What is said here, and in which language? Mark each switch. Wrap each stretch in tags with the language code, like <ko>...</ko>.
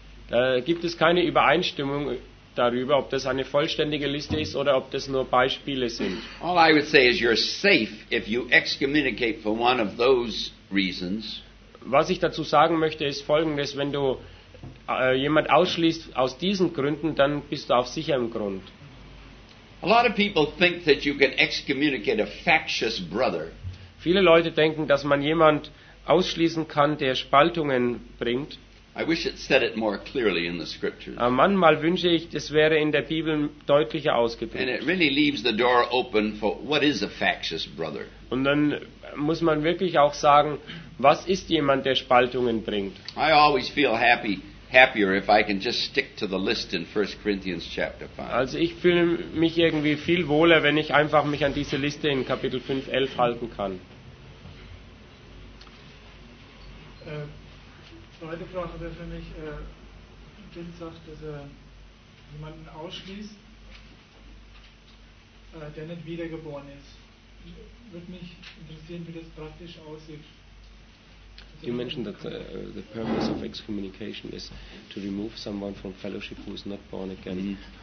<de>Da gibt es keine Übereinstimmung darüber, ob das eine vollständige Liste ist oder ob das nur Beispiele sind.</de> <en>All I would say is you're safe if you excommunicate for one of those reasons.</en> <de>Was ich dazu sagen möchte, ist Folgendes: Wenn du jemand ausschließt aus diesen Gründen, dann bist du auf sicherem Grund.</de> <en>A lot of people think that you can excommunicate a factious brother.</en> <de>Viele Leute denken, dass man jemand ausschließen kann, der Spaltungen bringt.</de> <en>I wish it said it more clearly in the scriptures.</en> <de>Aber manchmal wünsche ich, das wäre in der Bibel deutlicher ausgedrückt.</de> <en>And it really leaves the door open for what is a factious brother.</en> <de>Und dann muss man wirklich auch sagen, was ist jemand, der Spaltungen bringt?</de> <en>I always feel happier if I can just stick to the list in 1 Corinthians chapter 5.</en> <de>Also ich fühle mich irgendwie viel wohler, wenn ich einfach mich an diese Liste in Kapitel 5, 11 halten kann. Zweite Frage wäre für mich, Tim sagt, dass er jemanden ausschließt, der nicht wiedergeboren ist. Würde mich interessieren, wie das praktisch aussieht.</de> <en>You mentioned that the purpose of excommunication is to remove someone from fellowship who is not born again. Mm-hmm.</en>